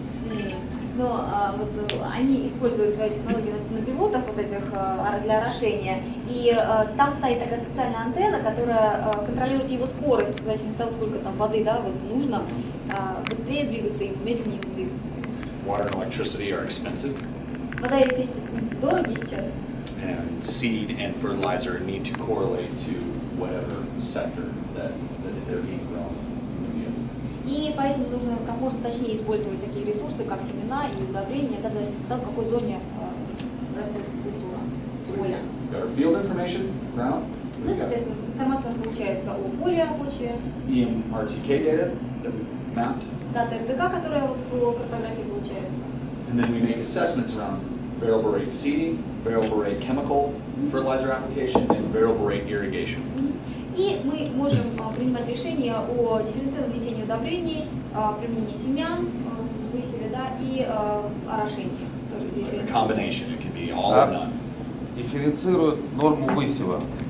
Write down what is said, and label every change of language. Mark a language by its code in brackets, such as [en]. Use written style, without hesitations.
[ru] Не, но вот они используют свои технологии на пивотах вот этих для орошения, и там стоит такая специальная антенна, которая контролирует его скорость, в зависимости от того, сколько там воды, да, вот нужно быстрее двигаться и медленнее двигаться. [en] Water and electricity are expensive. [ru] Вода и электричество дороги сейчас. [en] And seed and fertilizer need to correlate to whatever sector that they're being grown in. [ru] И поэтому нужно как можно точнее использовать такие ресурсы, как семена и удобрения, это в зависимости от какой зоне растет культура. [en] Got our field information, ground. [ru] Ну, соответственно, информация получается о поле, о почве. [en] EMRTK data that we mapped. [ru] Дата РДК, которая вот по картографии получается. [en] And then we make assessments around variable rate seeding, variable rate chemical fertilizer application, and variable rate irrigation. [ru] И мы можем принимать решение о дифференцированном введении удобрений, применении семян, высеве, да, и орошении. [en] A combination, it can be all or none. [ru] Дифференцируют норму высева.